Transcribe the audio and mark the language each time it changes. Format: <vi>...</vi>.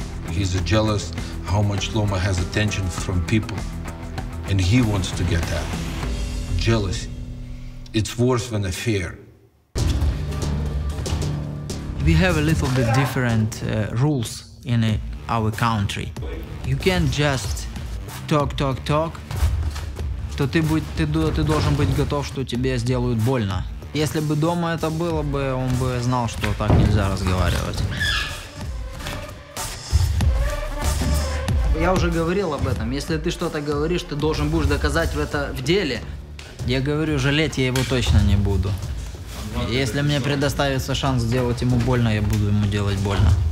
<en>He's jealous how much Loma has attention from people, and he wants to get that. Jealousy. It's worse than a fear. We have a little bit different rules in our country. You can't just talk.</en> <uk>То ти будь, ти должен бути готов, що тебе зроблять больно. Якщо б дома це було, б він би знав, що так нельзя розмовляти. Я вже говорив</uk> <ru>об этом.</ru> <uk>Якщо ти щось говориш, ти должен будеш доказати</uk> <ru>это в деле.</ru> <uk>Я говорю, жалеть я його точно не буду.</uk> <ru>Если мне предоставится шанс сделать ему больно, я буду ему делать больно.</ru>